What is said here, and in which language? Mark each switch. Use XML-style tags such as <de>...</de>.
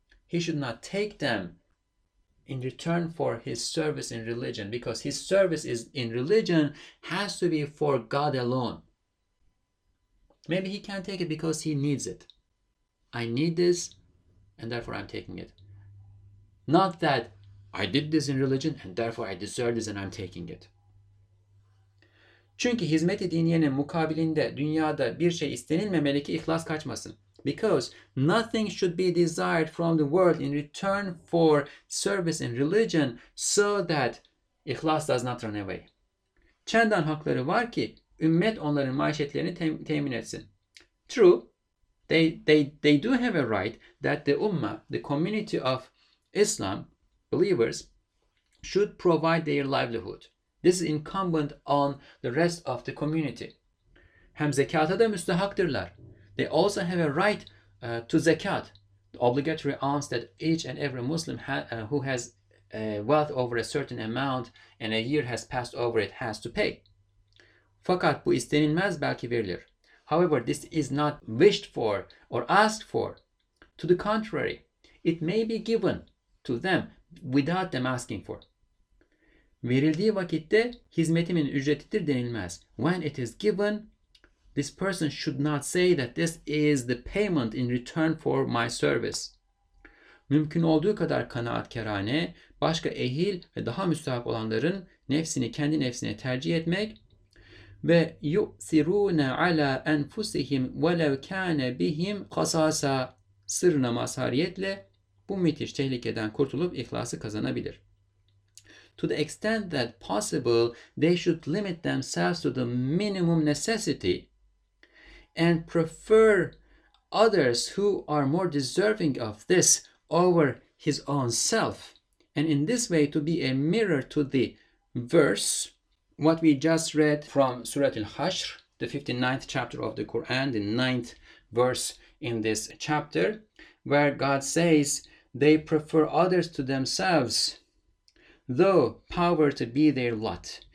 <en>He should not take them in return for his service in religion, because his service is in religion has to be for God alone. Maybe he can't take it because he needs it. I need this, and therefore I'm taking it. Not that I did this in religion, and therefore I deserve this, and I'm taking it.</en> <tr>Çünkü hizmet-i diniyenin mukabilinde dünyada bir şey istenilmemeli ki ihlas kaçmasın.</tr> <en>Because nothing should be desired from the world in return for service in religion so that ihlas does not run away.</en> <tr>Çendan hakları var ki ümmet onların maişetlerini temin etsin.</tr> <en>True, they do have a right that the ummah, the community of Islam, believers, should provide their livelihood. This is incumbent on the rest of the community.</en> <tr>Hem zekata da müstehaktırlar.</tr> <en>They also have a right to zakat, the obligatory alms that each and every Muslim who has wealth over a certain amount and a year has passed over it has to pay.</en> <tr>Fakat bu istenilmez belki verilir.</tr> <en>However, this is not wished for or asked for. To the contrary, it may be given to them without them asking for.</en> <tr>Verildiği vakitte hizmetimin ücretidir denilmez.</tr> <en>When it is given, this person should not say that this is the payment in return for my service.</en> <tr>Mümkün olduğu kadar kanaatkârane, başka ehil ve daha müstahak olanların nefsini kendi nefsine tercih etmek ve</tr> <ar>yu'sirûne alâ enfusihim velev kâne bihim kasâsa</ar> <tr>sırrına mazhariyetle bu müthiş tehlikeden kurtulup ihlası kazanabilir.</tr> <en>to the extent that possible, they should limit themselves to the minimum necessity and prefer others who are more deserving of this over his own self. And in this way, to be a mirror to the verse, what we just read from Surah Al-Hashr, the 59th chapter of the Quran, the 9th verse in this chapter, where God says, they prefer others to themselves, though poverty be their lot.</en>